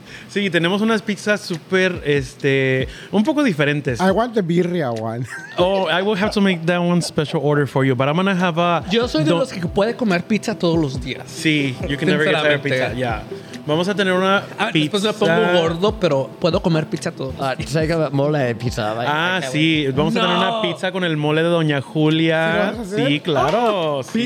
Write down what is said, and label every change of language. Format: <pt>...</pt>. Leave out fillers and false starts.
<es>Sí, tenemos unas pizzas súper, un poco diferentes.</es> <en>I want the birria one. I will have to make that one special order for you, but I'm going to have a...</en> <es>Yo soy de los que puede comer pizza todos los días.</es> <en>Sí, you can never get better pizza, yeah.</en> <es>Vamos a tener una pizza. Después me pongo gordo, pero puedo comer pizza todo.</es> <en>It's like a mole de pizza.</en> <es>Sí. Vamos a tener una pizza con el mole de Doña Julia. Sí, claro. Sí.</es>